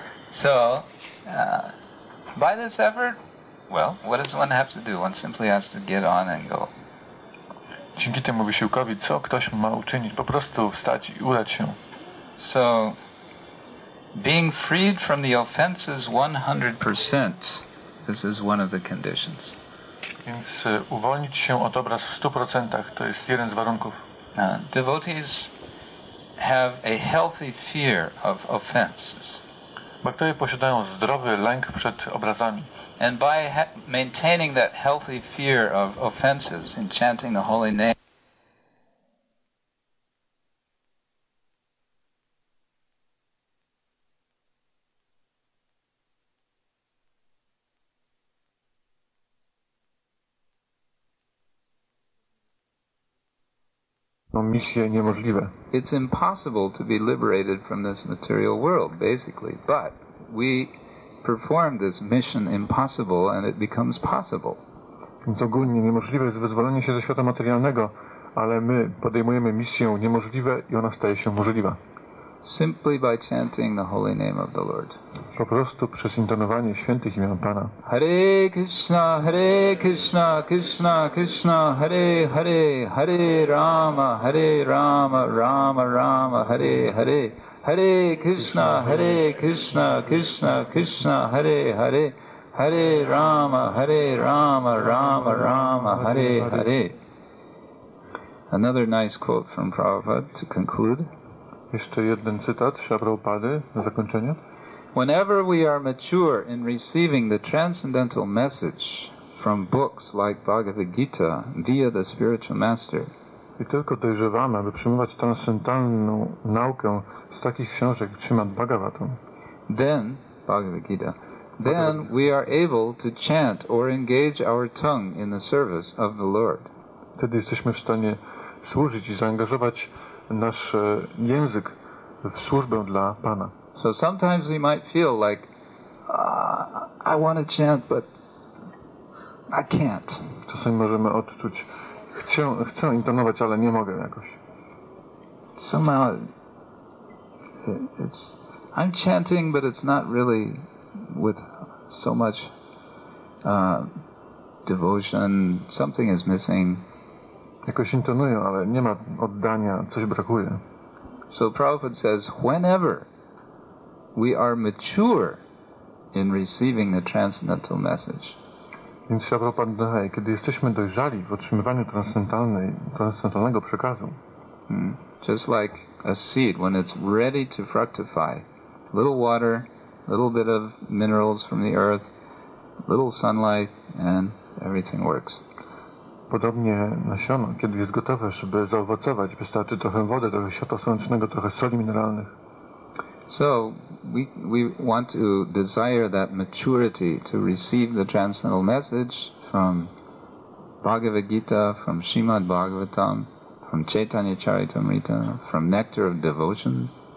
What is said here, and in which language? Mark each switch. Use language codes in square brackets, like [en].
[en] So, by this effort, well, what does one have to do? One simply has to get on and go. [pl] Dzięki temu wysiłkowi, co ktoś ma uczynić? Po prostu wstać i udać się. [en] So, being freed from the offenses 100%, this is one of the conditions. [pl] Więc uwolnić się od obraz w 100% to jest jeden z warunków. [en] Devotees have a healthy fear of offenses. [pl] Bhaktowie posiadają zdrowy lęk przed obrazami. [en] And by maintaining that healthy fear of offenses in chanting the holy name, [pl] misje niemożliwe. [en] It's impossible to be liberated from this material world, basically. But we perform this mission impossible and it becomes possible. [pl] Więc ogólnie niemożliwe jest wyzwolenie się ze świata materialnego, ale my podejmujemy misję niemożliwe i ona staje się możliwa. [en] Simply by chanting the holy name of the Lord. [pl] Po prostu przez intonowanie świętych imion Pana. [sa] Hare Krishna, Hare Krishna, Krishna Krishna, Hare Hare, Hare Rama, Rama Rama, Hare Hare. Hare Krishna, Hare Krishna, Krishna Krishna, Hare Hare, Hare Rama, Hare Rama, Rama Rama, Hare Hare. [en] Another nice quote from Prabhupada to conclude. [pl] Jeszcze jeden cytat Śrila Prabhupady na zakończenie. [en] Whenever we are mature in receiving the transcendental message from books like Bhagavad Gita via the spiritual master. [pl] I tylko dojrzewamy, aby przyjmować transcendentalną naukę z takich książek, Śrimad Bhagavatam. [en] Then, Bhagavad Gita, then we are able to chant or engage our tongue in the service of the Lord. [pl] Wtedy jesteśmy w stanie służyć i zaangażować nasz język w służbę dla Pana. [en] So sometimes we might feel like I want to chant, but I can't. [pl] Czasami możemy odczuć, chcę intonować, ale nie mogę jakoś. [en] Somehow it's I'm chanting, but it's not really with so much devotion. Something is missing. [pl] Jakoś intonują, ale nie ma oddania, coś brakuje. [en] So Prabhupada says, whenever we are mature in receiving the transcendental message. [pl] Więc Śrila Prabhupada dodaje, kiedy jesteśmy dojrzali w otrzymywaniu transcendentalnego przekazu. [en] Just like a seed, when it's ready to fructify, little water, little bit of minerals from the earth, little sunlight, and everything works. [pl] Podobnie nasiono, kiedy jest gotowe, żeby zaowocować, wystarczy trochę wody, trochę światła słonecznego, trochę soli mineralnych. [en] So we want to desire that maturity to receive the transcendental message from Bhagavad Gita, from Srimad Bhagavatam, from Chaitanya Charitamrita, from nectar of devotion.